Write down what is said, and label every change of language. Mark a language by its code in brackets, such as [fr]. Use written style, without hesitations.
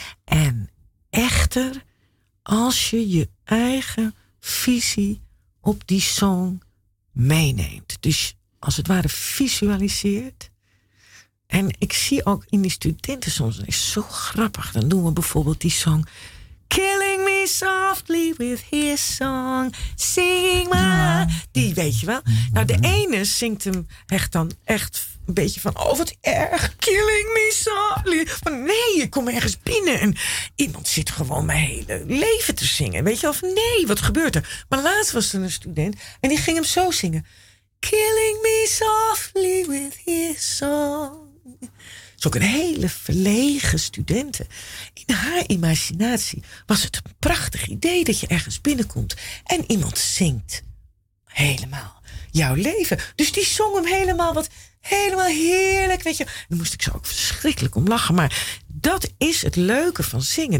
[nl] En echter. Als je je eigen visie op die song meeneemt. Dus als het ware visualiseert. En ik zie ook in die studenten soms, dat is zo grappig. Dan doen we bijvoorbeeld die song. [en] Killing me softly with his song. Sing my. [nl] Die weet je wel. Nou, de ene zingt hem echt dan echt een beetje van. Oh, wat erg. [en] Killing me softly. [nl] Van nee, ik kom ergens binnen. En iemand zit gewoon mijn hele leven te zingen. Weet je wel. Of nee, wat gebeurt er? Maar laatst was er een student en die ging hem zo zingen. [en] Killing me softly with his song. [nl] Het is ook een hele verlegen studenten. In haar imaginatie was het een prachtig idee dat je ergens binnenkomt en iemand zingt helemaal jouw leven. Dus die zong hem helemaal wat helemaal heerlijk. Weet je. Daar moest ik zo ook verschrikkelijk om lachen. Maar dat is het leuke van zingen.